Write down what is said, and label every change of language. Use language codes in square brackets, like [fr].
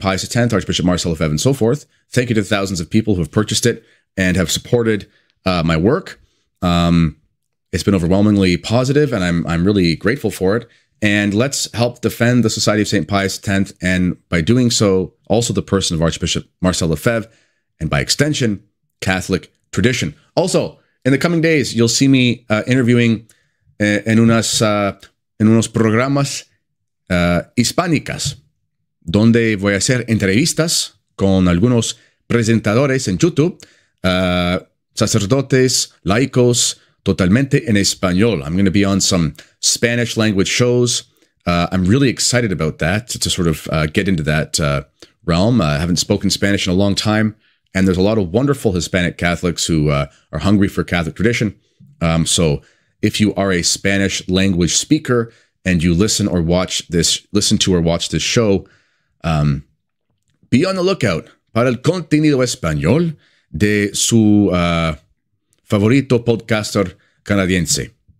[en] Pius X, Archbishop Marcel Lefebvre, and so forth. Thank you to the thousands of people who have purchased it and have supported my work. It's been overwhelmingly positive, and I'm really grateful for it. And let's help defend the Society of St. Pius X, and by doing so, also the person of Archbishop Marcel Lefebvre, and by extension, Catholic tradition. Also, in the coming days, you'll see me interviewing [es] en unos programas hispánicas, donde voy a hacer entrevistas con algunos presentadores en YouTube, sacerdotes, laicos, totalmente en español. [en] I'm going to be on some Spanish language shows. I'm really excited about that, to sort of get into that realm. I haven't spoken Spanish in a long time, and there's a lot of wonderful Hispanic Catholics who are hungry for Catholic tradition. So if you are a Spanish language speaker and you listen to or watch this show, be on the lookout [es] para el contenido español de su favorito podcaster canadiense.